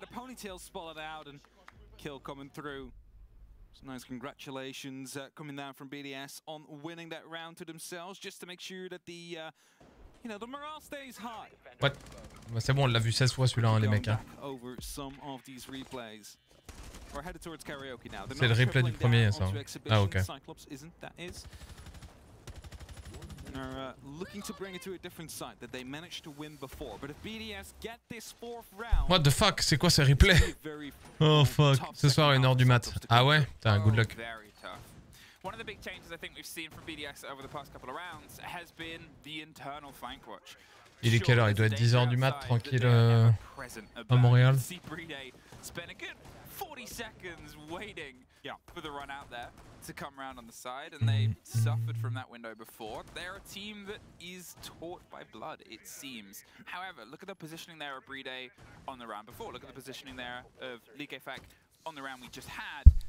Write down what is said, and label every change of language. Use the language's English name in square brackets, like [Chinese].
[English] The ponytail spotted out and kill coming through. So nice congratulations coming down from BDS on winning that round to themselves, just to make sure that the you know, the morale stays high. What? [French] Bah c'est bon, on l'a vu 16 fois celui-là, hein, les mecs. [English] Over some of these replays. We're headed towards karaoke now. [French] C'est le replay du premier, ça. Ah, ok. [English] Cyclops isn't that is. And are looking to bring it to a different site that they managed to win before. But if BDS get this fourth round. What the fuck? [French] C'est quoi ce replay? [English] Oh fuck. [French] Ce soir, 1h du mat. Ah ouais? T'as [English] good luck. One of the big changes I think we've seen from BDS over the past couple of rounds has been the internal flank watch. [French] Il est quelle heure? Il doit être 10h du mat, tranquille, à Montréal. [English] Spent a good 40 seconds waiting for the run out there to come round on the side, and they suffered from that window before. They're a team that is taught by blood, it seems. However, look at the positioning there of Bride on the round before. Look at the positioning there of Likefak on the round we just had.